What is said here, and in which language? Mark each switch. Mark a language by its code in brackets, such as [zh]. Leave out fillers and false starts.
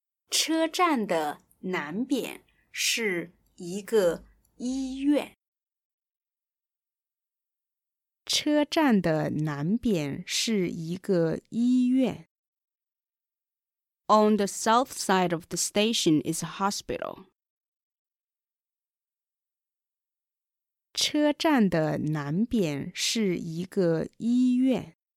[zh] 车站的南边是一个医院。车站的南边是一个医院。 [en] On the south side of the station is a hospital. [zh] 车站的南边是一个医院。